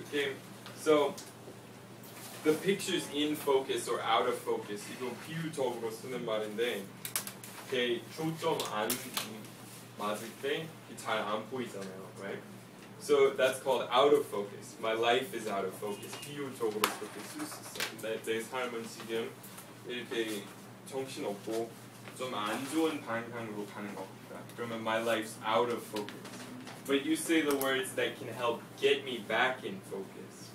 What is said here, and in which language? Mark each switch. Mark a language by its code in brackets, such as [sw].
[en] Okay, so the picture's in focus or out of focus. [ko] 이거 비유적으로 쓰는 말인데, 이게 초점 안 맞을 때 잘 안 보이잖아요, right? [en] So that's called out of focus. My life is out of focus. [ko] 비유적으로 그렇게 쓸 수 있어요. 내 삶은 지금 이렇게 정신 없고 좀 안 좋은 방향으로 가는 것 같아요. [en] Remember, my life's out of focus. But you say the words that can help get me back in focus.